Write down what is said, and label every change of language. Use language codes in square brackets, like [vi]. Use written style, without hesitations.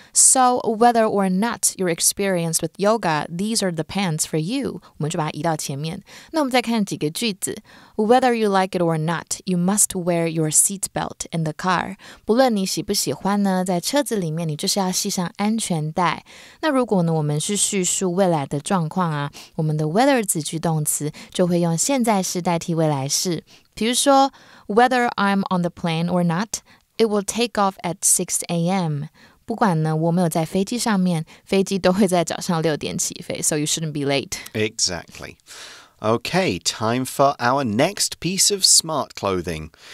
[en] So whether or not you're experienced with yoga, these are the pants for you. [zh] 我们就把它移到前面。那我们再看几个句子。 [en] Whether you like it or not, you must wear your seatbelt in the car. [zh] 不论你喜不喜欢呢，在车子里面你就是要系上安全带。那如果呢，我们是叙述未来的状况啊，我们的 whether 子句动词就会用现在式代替未来式。 [en] 比如说，Whether I'm on the plane or not, it will take off at 6 a.m. [zh] 不管呢，我没有在飞机上面，飞机都会在早上六点起飞 ， so you shouldn't be late. [en] Exactly. Okay, time for our next piece of smart clothing.